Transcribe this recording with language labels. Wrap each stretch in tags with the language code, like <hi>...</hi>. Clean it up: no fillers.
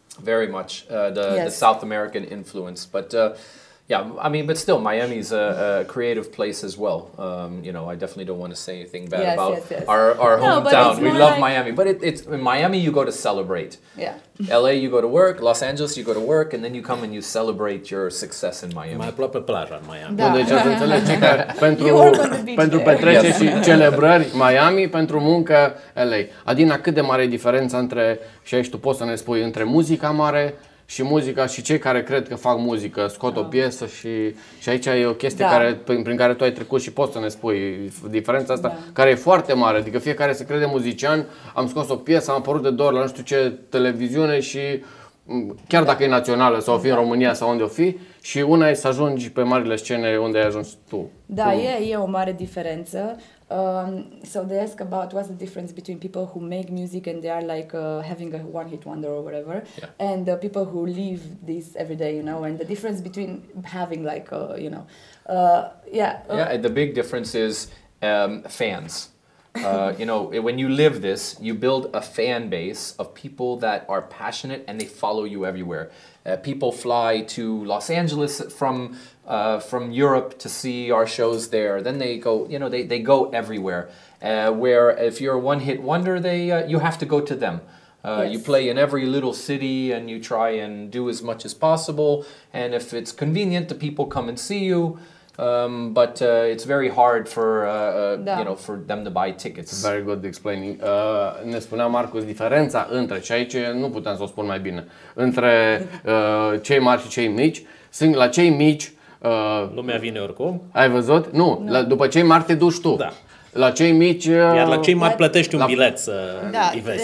<en>very much the South American influence, but yeah, I mean, but still Miami's a creative place as well. You know, I definitely don't want to say anything bad our hometown. No, we love like... Miami, but it's in Miami you go to celebrate. Yeah. LA you go to work, Los Angeles you go to work and then you come and you celebrate your success in Miami.</en> <ro>Mai aproape plaja în Miami. Da. Deci ați înțeles că pentru petrece și celebrări Miami, pentru muncă LA. Adina, cât de mare e diferența între, și aici tu poți să ne spui, între muzica mare și muzica și cei care cred că fac muzică, scot o piesă și aici e o chestie care, prin care tu ai trecut și poți să ne spui diferența asta, care e foarte mare. Adică fiecare se crede muzician, am scos o piesă, am apărut de două ori la nu știu ce televiziune și chiar dacă e națională sau o fi în România sau unde o fi. Și una e să ajungi pe marile scene unde ai ajuns tu. Da, e o mare diferență.</ro> <en>So they ask about what's the difference between people who make music and they are like having a one-hit wonder or whatever, yeah. And the people who live this every day, you know, and the difference between having like, you know, yeah. Yeah, the big difference is fans. you know, when you live this, you build a fan base of people that are passionate and they follow you everywhere. People fly to Los Angeles from Europe to see our shows there. Then they go, you know, they go everywhere. Where if you're a one-hit wonder, you have to go to them. Yes. You play in every little city and you try and do as much as possible. And if it's convenient, the people come and see you. But it's very hard for you know, for them to buy tickets. Very good explaining.</en> <ro>Ne spunea Marcus diferența între, și aici nu putem să o spun mai bine, între cei mari și cei mici. Sunt la cei mici Lumea vine oricum. Ai văzut? Nu, la, după cei mari te duci tu. Da. La cei mici... Iar la cei mari plătești un bilet să îi vezi.</ro>